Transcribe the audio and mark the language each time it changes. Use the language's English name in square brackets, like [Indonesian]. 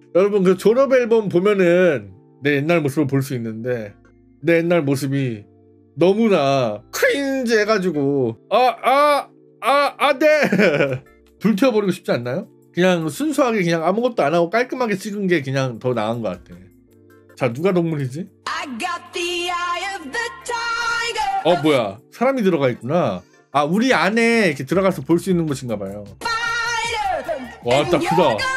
[Korean] 여러분, 그 졸업앨범 보면은 내 옛날 모습을 볼 수 있는데, 내 옛날 모습이 너무나 크린지 해가지고 아 네. 불태워버리고 싶지 않나요? 그냥 순수하게 그냥 아무것도 안 하고 깔끔하게 찍은 게 그냥 더 나은 것 같아. 자, 누가 동물이지? [English] I got the eye of the tiger. [Korean] 어, 뭐야, 사람이 들어가 있구나. 아, 우리 안에 이렇게 들어가서 볼 수 있는 곳인가 봐요. 와, 딱 크다.